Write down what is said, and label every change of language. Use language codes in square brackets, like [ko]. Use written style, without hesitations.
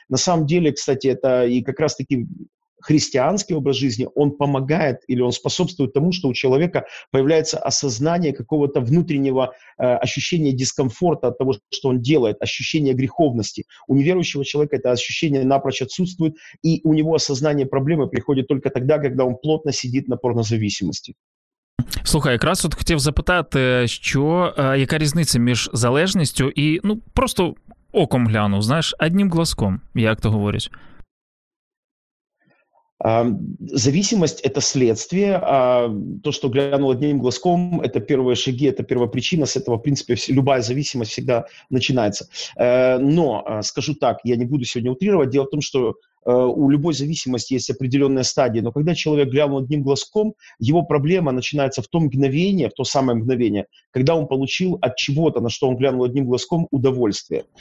[ru] На самом деле, кстати, это и как раз-таки христианский образ жизни, он помогает или он способствует тому, что у человека появляется осознание какого-то внутреннего ощущения дискомфорта от того, что он делает, ощущение греховности. У неверующего человека это ощущение напрочь отсутствует, и у него осознание проблемы приходит только тогда, когда он плотно сидит на порнозависимости. [uk] Слухай, якраз от хотів запитати, що, яка різниця між залежністю і, ну, просто оком глянув, знаєш, [ru] одним глазком, [uk] як то говорять. [ru] Зависимость – это следствие, а то, что глянул одним глазком – это первые шаги, это первопричина, с этого, в принципе, любая зависимость всегда начинается. Но, скажу так, я не буду сегодня утрировать, дело в том, что у любой зависимости есть определенная стадия, но когда человек глянул одним глазком, его проблема начинается в то мгновение, в то самое мгновение, когда он получил от чего-то, на что он глянул одним глазком, удовольствие.